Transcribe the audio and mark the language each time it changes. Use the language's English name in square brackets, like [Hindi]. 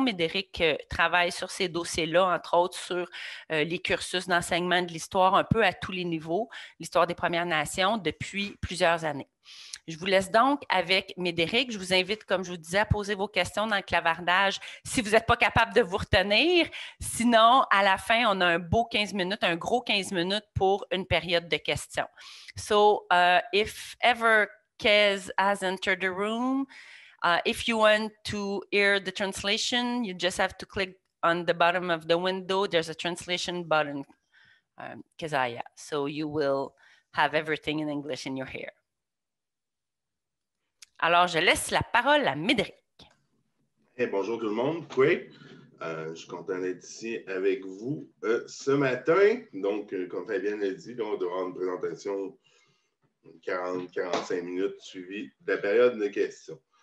[French] Mais Médéric travaille sur ces dossiers-là, entre autres sur les cursus d'enseignement de l'histoire un peu à tous les niveaux, l'histoire des Premières Nations, depuis plusieurs années. Je vous laisse donc avec Médéric. Je vous invite, comme je vous disais, à poser vos questions dans le clavardage si vous n'êtes pas capable de vous retenir. Sinon, à la fin, on a un beau 15 minutes, un gros 15 minutes pour une période de questions. [English] So, if ever Kez has entered the room, if you want to hear the translation, you just have to click on the bottom of the window. There's a translation button, Kezaya. So, you will have everything in English in your ear. [French] Alors, je laisse la parole à Médéric. Hey, bonjour tout le monde. Oui, je suis content d'être ici avec vous ce matin. Donc, comme Fabienne l'a dit, on doit avoir une présentation de 40-45 minutes suivie de la période de questions.